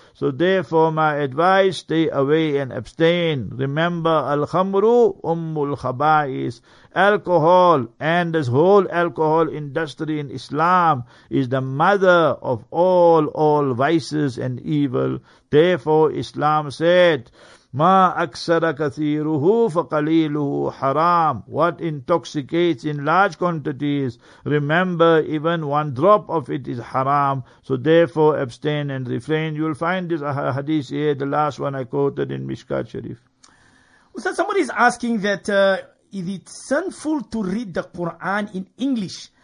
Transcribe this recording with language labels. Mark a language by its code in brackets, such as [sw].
[en] So therefore, my advice, stay away and abstain. Remember, [ar] Al-Khamru Ummul Khaba'is. [en] Alcohol and this whole alcohol industry in Islam is the mother of all vices and evil. Therefore, Islam said, [ar] مَا أَكْسَرَ كَثِيرُهُ فَقَلِيلُهُ حَرَامٌ. [en] What intoxicates in large quantities, remember, even one drop of it is haram. So therefore, abstain and refrain. You'll find this hadith here, the last one I quoted in Mishkat Sharif. Ustaz, somebody is asking that, is it sinful to read the Quran in English?